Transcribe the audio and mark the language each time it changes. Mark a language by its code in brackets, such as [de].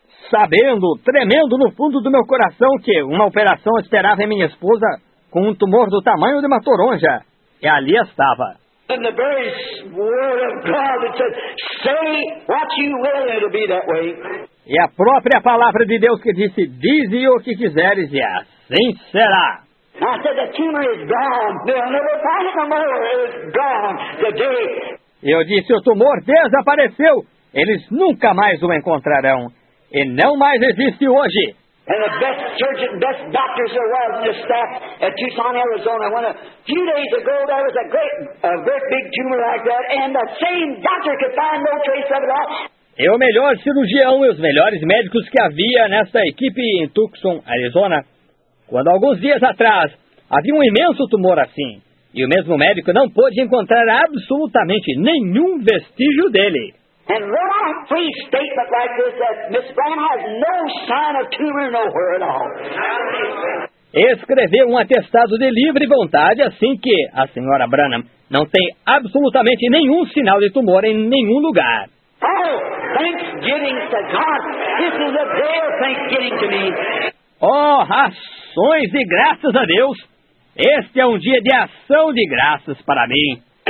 [pt] Sabendo, tremendo no fundo do meu coração que uma operação esperava em minha esposa com um tumor do tamanho de uma toronja. E ali estava. [en] And the very word of God that says, say what you will, it'll be that way. [pt] E a própria palavra de Deus que disse, dize o que quiseres e assim será. [en] I said, the tumor is gone. They'll never find it no more. It's gone today. [pt] Eu disse, o tumor desapareceu. Eles nunca mais o encontrarão. E não mais existe hoje. [en] And the best surgeon, best doctors there was in the staff at Tucson, Arizona. When a few days ago there was a great big tumor like that, and the same doctor could find no trace of it all. [pt] E o melhor cirurgião e os melhores médicos que havia nesta equipe em Tucson, Arizona, quando alguns dias atrás havia um imenso tumor assim, e o mesmo médico não pôde encontrar absolutamente nenhum vestígio dele. [en] And what a free statement like this, that Miss Brown has no sign of tumor nowhere at all. [pt] Escreveu um atestado de livre vontade assim que a senhora Branham não tem absolutamente nenhum sinal de tumor em nenhum lugar. [en] Oh, thanksgiving to God. This is a day of thanksgiving to me. [pt] Oh, ações de graças a Deus. Este é um dia de ação de graças para mim.